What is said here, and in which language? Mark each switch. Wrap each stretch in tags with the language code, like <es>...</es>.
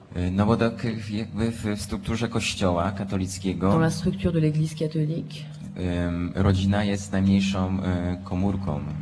<pl>No bo tak jakby w strukturze kościoła katolickiego.</pl> <fr>Dans la structure de l'église catholique.</fr> <pl>Rodzina jest najmniejszą komórką.</pl>